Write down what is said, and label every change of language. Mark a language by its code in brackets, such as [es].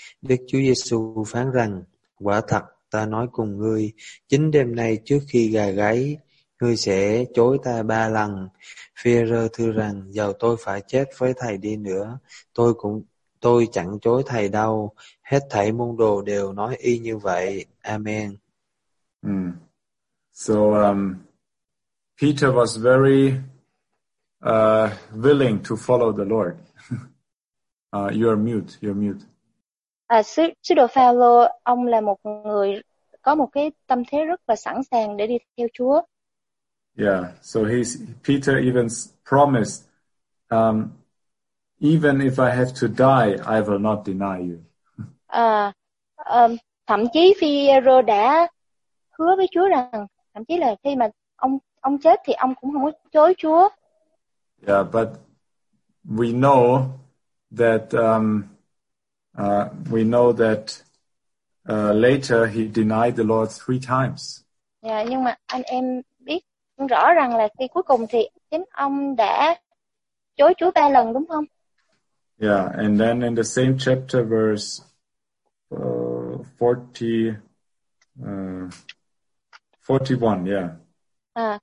[vi] Đức Chúa Giê-xu phán rằng: Quả thật ta nói cùng ngươi, chính đêm nay trước khi gà gáy, ngươi sẽ chối ta 3 lần. Phi-e-rơ thưa rằng: Dầu tôi phải chết với thầy đi nữa, tôi chẳng chối thầy đâu. Hết thảy môn đồ đều nói y như vậy. Amen. [en] So Peter was very willing to follow the Lord. You're mute. [vi] Sứ đồ Phaolô, ông là một người có một cái tâm thế rất là sẵn sàng để đi theo Chúa. [en] Yeah, so Peter even promised, even if I have to die, I will not deny you. [vi] Thậm chí Phi-e-rơ đã hứa với Chúa rằng, thậm chí là khi mà ông chết thì ông cũng không có chối Chúa. [en] Yeah, but we know that later he denied the Lord 3 times. [vi] Yeah, nhưng mà anh em biết rõ rằng là khi cuối cùng thì chính ông đã chối Chúa 3 lần, đúng không? [en] Yeah, and then in the same chapter, verse 41, yeah.